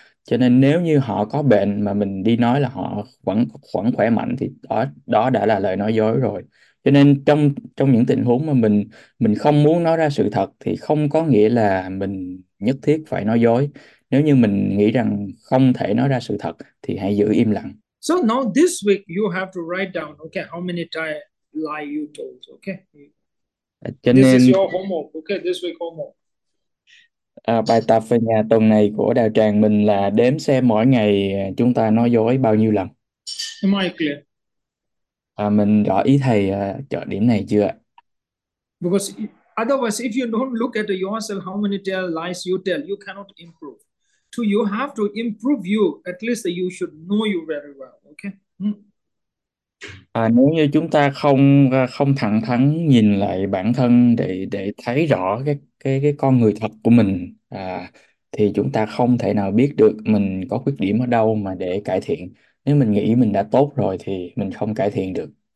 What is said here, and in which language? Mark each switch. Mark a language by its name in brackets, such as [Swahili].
[Vietnamese] Cho nên nếu như họ có bệnh mà mình đi nói là họ vẫn vẫn khỏe mạnh thì đó đó đã là lời nói dối rồi. Cho nên trong trong những tình huống mà mình không muốn nói ra sự thật thì không có nghĩa là mình nhất thiết phải nói dối. Nếu như mình nghĩ rằng không thể nói ra sự thật thì hãy giữ im lặng. [English] So now this week you have to write down, okay, how many times lie you told, okay? [Vietnamese] Cho [English] This is [Vietnamese] nên [English] your homework, okay? This week homework. [Vietnamese] Bài tập về nhà tuần này của đạo tràng mình là đếm xem mỗi ngày chúng ta nói dối bao nhiêu lần. [English] I clear? [Vietnamese] Mình rõ ý thầy chọn điểm này chưa ạ? [English] Because otherwise, if you don't look at yourself, how many lies you tell, you cannot improve. So you have to improve you, at least you should know you very well, okay? [Vietnamese] Nếu như chúng ta không không thẳng thắn nhìn lại bản thân để thấy rõ cái con người thật của mình, thì chúng ta không thể nào biết được mình có khuyết điểm ở đâu mà để cải thiện. Nếu mình nghĩ mình đã tốt rồi thì mình không cải thiện được.